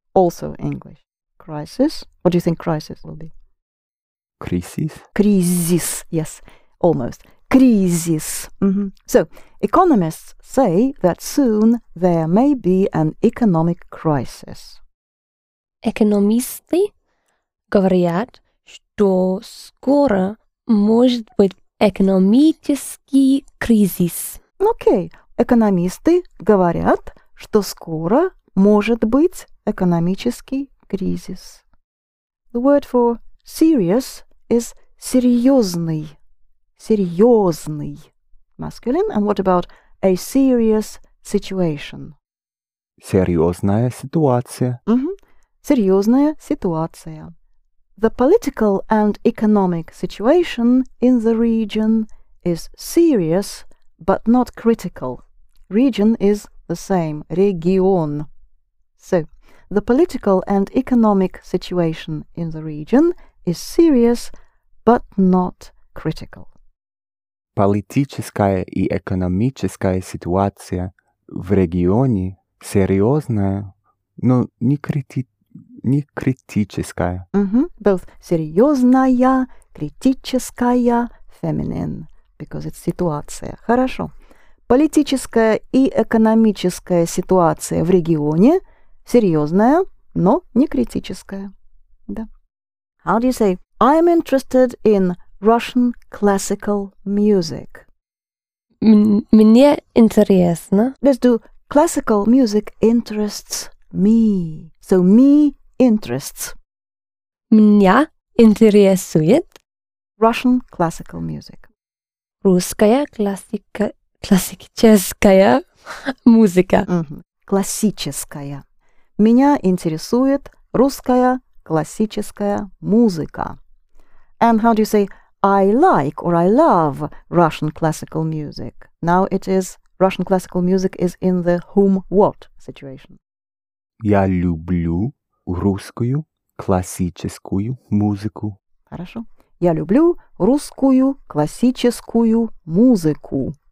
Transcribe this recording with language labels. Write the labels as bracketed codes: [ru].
[en] Also English. Crisis? What do you think crisis will be? Crisis? Crisis, yes, almost. Crisis. Mm-hmm. So, economists say that soon there may be an economic crisis. [ru] Экономисты говорят, что скоро может быть экономический кризис. [en] Okay. [ru] Экономисты говорят, что скоро может быть экономический кризис. [en] The word for serious is серьезный. Серьезный. Masculine. And what about a serious situation? [ru] Серьезная ситуация. Mm-hmm. Серьезная ситуация. [en] The political and economic situation in the region is serious, but not critical. Region is the same. Регион. So, the political and economic situation in the region is serious, but not critical. [ru] Политическая и экономическая ситуация в регионе серьезная, но не критическая. [en] Mm-hmm. Both [ru] серьезная, критическая, [en] feminine, because it's ситуация. Хорошо. [ru] Политическая и экономическая ситуация в регионе серьезная, но не критическая. Да. [en] How do you say, I am interested in Russian classical music? [ru] Мне интересно. [en] Let's do, classical music interests me. So, me interests. [ru] Меня интересует. [en] Russian classical music. [ru] Русская классическая музыка. Mm-hmm. Классическая. Меня интересует русская классическая музыка. [en] And how do you say I like or I love Russian classical music? Now it is Russian classical music is in the whom what situation. [ru] Я люблю русскую классическую музыку. Хорошо. Я люблю русскую классическую музыку.